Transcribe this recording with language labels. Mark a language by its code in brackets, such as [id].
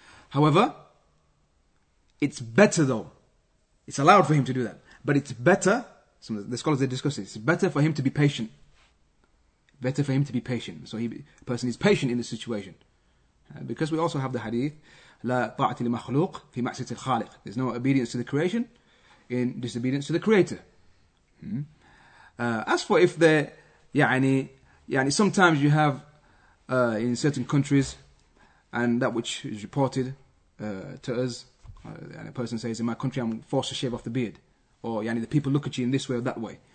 [en] However, it's better though, it's allowed for him to do that, but it's better, some of the scholars they discuss it, it's better for him to be patient. Better for him to be patient. So a person is patient in this situation. Because we also have the hadith, [ar] لا طاعة لمخلوق في معصية الخالق. [en] There's no obedience to the creation in disobedience to the creator. As for if there, يعني sometimes you have in certain countries, and that which is reported to us, and a person says, in my country I'm forced to shave off the beard, or يعني the people look at you in this way or that way.